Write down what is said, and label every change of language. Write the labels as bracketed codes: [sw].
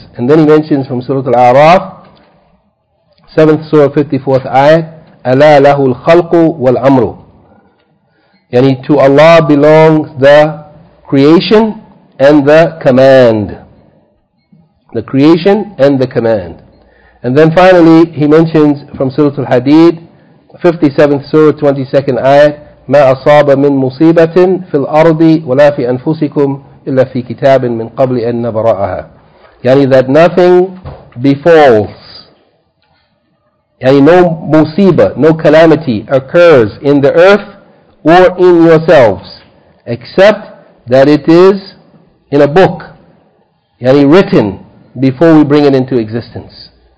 [en] And then he mentions from Surah Al-A'raf, 7th Surah, 54th Ayah, [ar] أَلَا لَهُ الْخَلْقُ وَالْعَمْرُ. [en] Yani, to Allah belongs the creation and the command. The creation and the command. And then finally, he mentions from Surah Al-Hadid, 57th Surah, 22nd Ayah, [ar] مَا أَصَابَ مِن مُصِيبَةٍ فِي الْأَرْضِ وَلَا فِي أَنفُسِكُمْ إِلَّا فِي كِتَابٍ مِن قَبْلِ أَن نَبْرَأَهَا. [en] Yani, that nothing befalls, yani, no musiba, no calamity occurs in the earth or in yourselves, except that it is in a book, yani, written before we bring it into existence.